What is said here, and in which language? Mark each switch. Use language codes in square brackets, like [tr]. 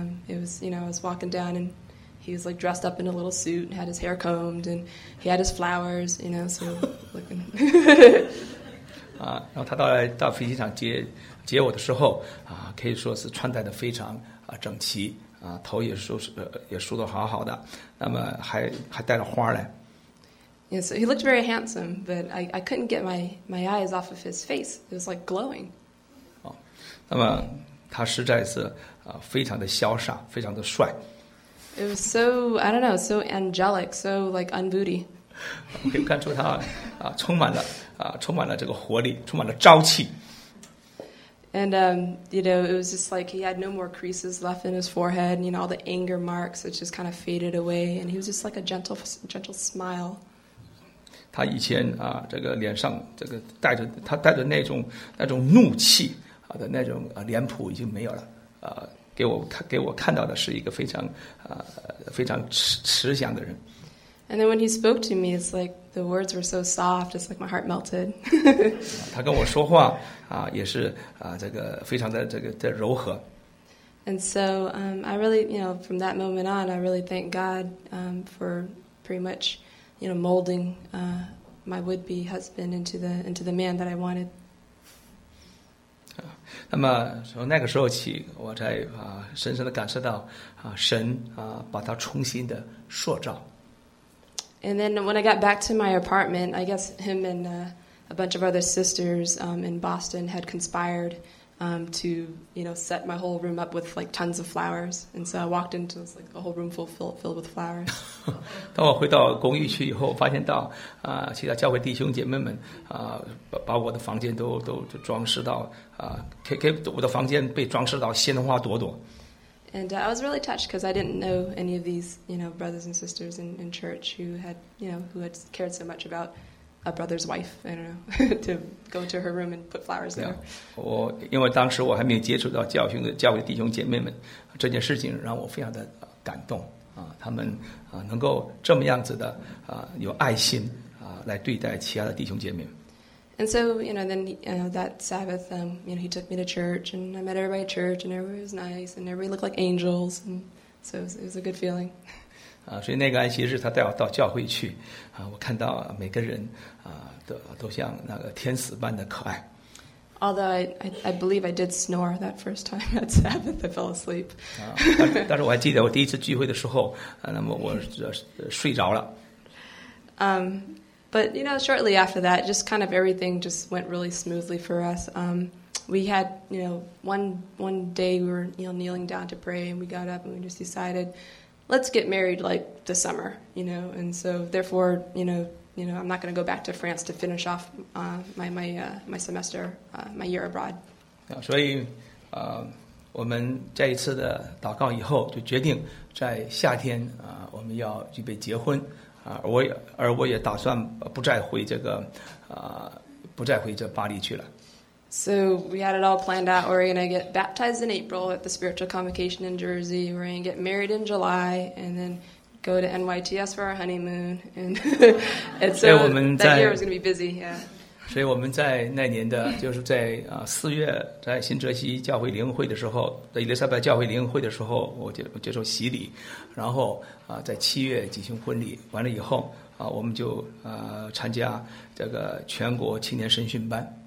[en] It was, you know, I was walking down and he was like dressed up in a little suit and had his hair combed and he had his flowers, you know, so looking. [zh] 然后他到飞机场接我的时候，可以说是穿戴的非常整齐，头也梳得好好的，那么还带了花来。 [en] Yeah, so he looked very handsome, but I couldn't get my eyes off of his face. It was like glowing. [zh] 那么他实在是非常的潇洒，非常的帅。 [en] It was so, I don't know, so angelic, so like un-booty. [zh] 可以看出他充满了这个活力，充满了朝气。 [en] And you know, it was just like he had no more creases left in his forehead, and, you know, all the anger marks it just kind of faded away, and he was just like a gentle smile. [zh] 他以前这个脸上这个带着那种怒气。的那种脸谱已经没有了，给我看到的是一个非常慈祥的人。 [en] And then when he spoke to me, it's like the words were so soft, it's like my heart melted. [zh] 他跟我说话也是这个非常的这个的柔和。 [en] And so I really, you know, from that moment on, I really thank God for pretty much, you know, molding my would-be husband into the man that I wanted. [zh] 那么从那个时候起，我才深深的感受到神把他重新的塑造。 [en] And then when I got back to my apartment, I guess him and a bunch of other sisters in Boston had conspired to, you know, set my whole room up with like tons of flowers. And so I walked into this, like, a whole room filled with flowers. [zh] 当我回到公寓去以后，发现到其他教会弟兄姐妹们把我的房间都装饰到。给我的房间被装饰到鲜花朵朵。 [en] And I was really touched because I didn't know any of these, you know, brothers and sisters in church who had, you know, who had cared so much about a brother's wife. I don't know to go to her room and put flowers there. [zh] 我因为当时我还没有接触到教会弟兄姐妹们，这件事情让我非常的感动他们能够这么样子的有爱心来对待其他的弟兄姐妹。 [en] And so, you know, then you know, that Sabbath, you know, he took me to church, and I met everybody at church, and everybody was nice, and everybody looked like angels, and so it was a good feeling. [zh] 所以那个安息日，他带我到教会去，我看到每个人都像那个天使般的可爱。 [en] Although I believe I did snore that first time at Sabbath, I fell asleep. [zh] 但是我还记得我第一次聚会的时候，那么我睡着了。 [en] But, you know, shortly after that, just kind of everything just went really smoothly for us. We had, you know, one day we were, you know, kneeling down to pray, and we got up and we just decided, let's get married like this summer, you know. And so therefore, you know, I'm not going to go back to France to finish off my semester, my year abroad. [zh] 所以，我们这一次的祷告以后，就决定在夏天我们要预备结婚而我也打算不再回这个不再回这巴黎去了。 [en] So we had it all planned out. We're going to get baptized in April at the Spiritual Convocation in Jersey. We're going to get married in July and then go to NYTS for our honeymoon. And so that year was going to be busy, yeah. [zh] 所以我们在那年的就是在四月在新泽西教会灵会的时候在伊丽莎白教会灵会的时候我接受洗礼然后在七月举行婚礼完了以后我们就参加这个全国青年神训班。